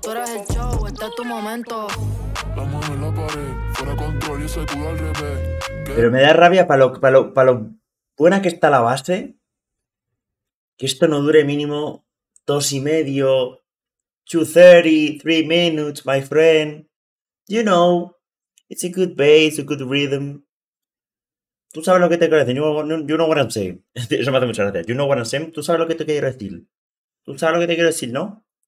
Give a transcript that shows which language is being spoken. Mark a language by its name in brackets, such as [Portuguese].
[Spanish] Tú eres el show, este es tu momento. La mano en la pared, fuera control y ese culo al revés. Pero me da rabia para lo buena que está la base. Que esto no dure mínimo 2 y medio. [English] 2:33 minutes, my friend. You know, it's a good bass, a good rhythm. [Spanish] Tú sabes lo que te quiero decir, [English] you know what I'm saying. [Spanish] Eso me hace mucha gracia. [English] You know what I'm saying. [Spanish] Tú sabes lo que te quiero decir. Tú sabes lo que te quiero decir, ¿no?